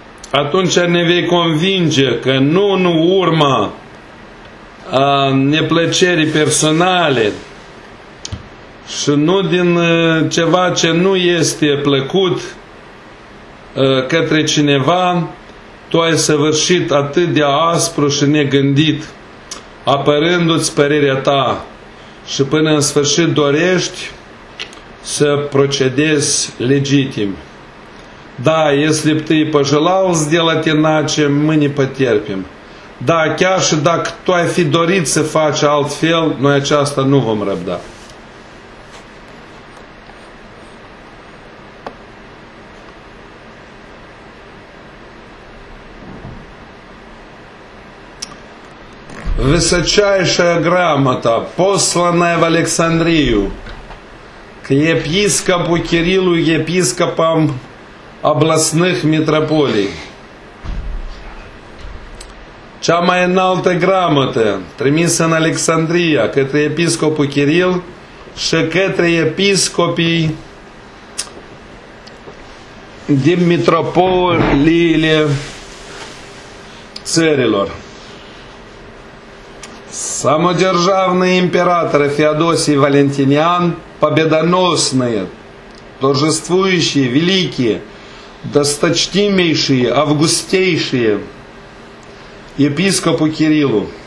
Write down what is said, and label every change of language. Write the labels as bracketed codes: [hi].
[ro] atunci ne vei convinge că nu în urma neplăcerii personale și nu din ceva ce nu este plăcut către cineva, tu ai săvârșit atât de aspru și negândit, apărându-ți părerea ta și până în sfârșit dorești să procedezi legitim. [ru] Da, если бы ты пожелал сделать иначе, мы не потерпим. [ro] Да, chiar și dacă tu ai fi dorit să faci altfel, noi aceasta nu vom răbda. [ru] Высочайшая грамота, посланная в Александрию к епископу Кириллу, епископам областных митрополий. [ro] Cea mai înaltă grămadă trimisă în Alexandria către episcopul Kiril și către episcopii din mitropoliile țărilor. [ru] Самодержавный император Феодосий Валентиниан, победоносные, торжествующие, великие, досточтимейшие, августейшие епископу Кириллу.